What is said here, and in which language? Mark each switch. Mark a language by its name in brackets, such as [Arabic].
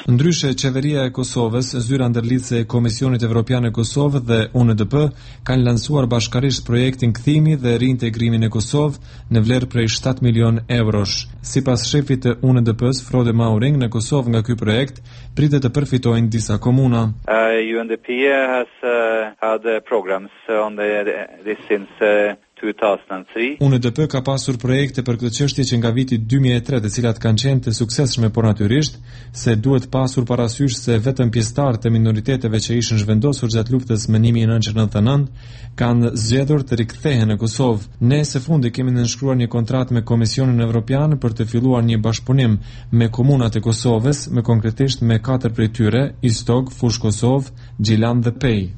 [Albanian] Ndryshe, Qeveria e Kosovës, Zyra Ndërlidhëse e Komisionit Evropian e Kosovë dhe UNDP kanë lansuar bashkarisht projektin kthimi dhe reintegrimin e Kosovë në vlerë prej 7 milion eurosh. Si pas shefit të UNDP-s, Frode Maurin, në Kosovë nga ky projekt, pritet të përfitojnë disa komuna. [English] UNDP has had programs on this since 2003. [Albanian] UNDP ka pasur projekte për këtë çështje që nga viti 2003, të cilat kanë qenë të suksesshme, por natyrisht se duhet pasur parasysh se vetëm pjesëtarë të minoriteteve që ishin zhvendosur gjatë luftës me 1999 kanë zgjedhur të rikthehen në Kosovë. Ne së fundi kemi nënshkruar një kontratë me Komisionin Evropian për të filluar një bashkëpunim me komunat e Kosovës, me konkretisht me katër prej tyre: Istog, Fush Kosov, Gjilan dhe Pej.